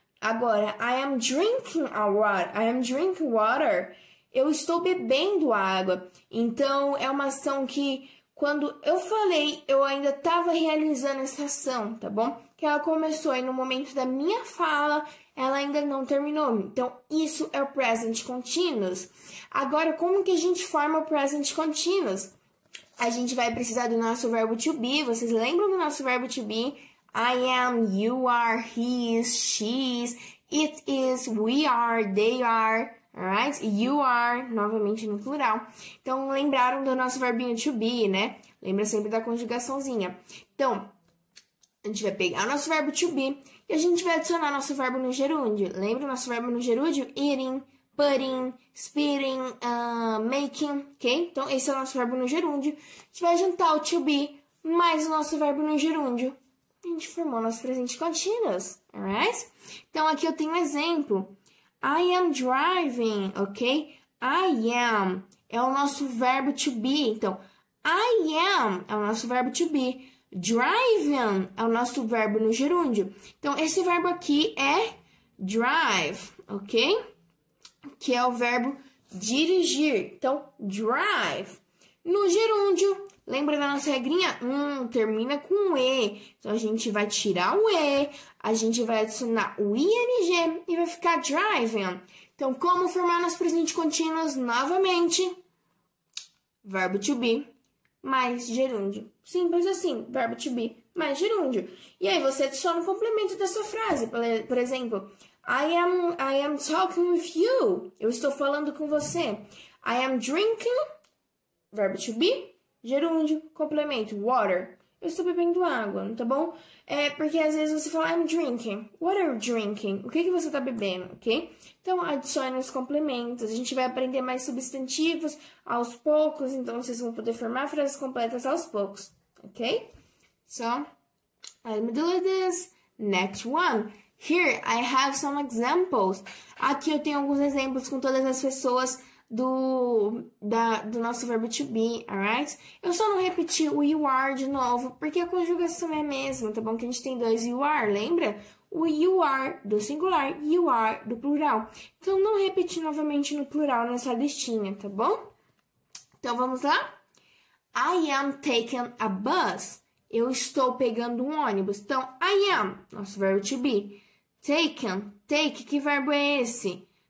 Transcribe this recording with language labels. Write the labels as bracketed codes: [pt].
[en] Agora, I am drinking a water. I am drinking water. [pt] Eu estou bebendo água. Então, é uma ação que, quando eu falei, eu ainda estava realizando essa ação, tá bom? Que ela começou aí no momento da minha fala, ela ainda não terminou. Então, isso é o present continuous. Agora, como que a gente forma o present continuous? A gente vai precisar do nosso verbo to be. Vocês lembram do nosso verbo to be? [en] I am, you are, he is, she is, it is, we are, they are. [pt] Alright? You are, novamente no plural. Então, lembraram do nosso verbinho to be, né? Lembra sempre da conjugaçãozinha. Então, a gente vai pegar o nosso verbo to be e a gente vai adicionar nosso verbo no gerúndio. Lembra o nosso verbo no gerúndio? [en] Eating, putting, spitting, making, ok? [pt] Então, esse é o nosso verbo no gerúndio. A gente vai juntar o to be mais o nosso verbo no gerúndio. A gente formou nosso presente contínuos, alright? Então, aqui eu tenho um exemplo. [en] I am driving, [pt] ok? I am é o nosso verbo to be. Então, I am é o nosso verbo to be. Driving é o nosso verbo no gerúndio. Então, esse verbo aqui é drive, ok? Que é o verbo dirigir. Então, drive. No gerúndio, lembra da nossa regrinha? Termina com E. Então, a gente vai tirar o E, a gente vai adicionar o ING e vai ficar driving. Então, como formar nosso presente contínuo novamente? Verbo to be mais gerúndio. Simples assim, verbo to be mais gerúndio. E aí, você adiciona um complemento da sua frase. Por exemplo, [en] I am talking with you. [pt] Eu estou falando com você. [en] I am drinking, [pt] verbo to be, gerúndio, complemento, water. Eu estou bebendo água, tá bom? É porque às vezes você fala, [en] I'm drinking. What are you drinking? [pt] O que que você está bebendo, ok? Então, adicione os complementos. A gente vai aprender mais substantivos aos poucos. Então, vocês vão poder formar frases completas aos poucos, ok? [en] So, let me do this. Next one. Here, I have some examples. [pt] Aqui eu tenho alguns exemplos com todas as pessoas do nosso verbo to be, alright? Eu só não repeti o you are de novo, porque a conjugação é a mesma, tá bom? Que a gente tem dois you are, lembra? O you are do singular, you are do plural. Então, não repeti novamente no plural nessa listinha, tá bom? Então, vamos lá? [en] I am taking a bus. [pt] Eu estou pegando um ônibus. Então, I am, nosso verbo to be. Taken, take, que verbo é esse?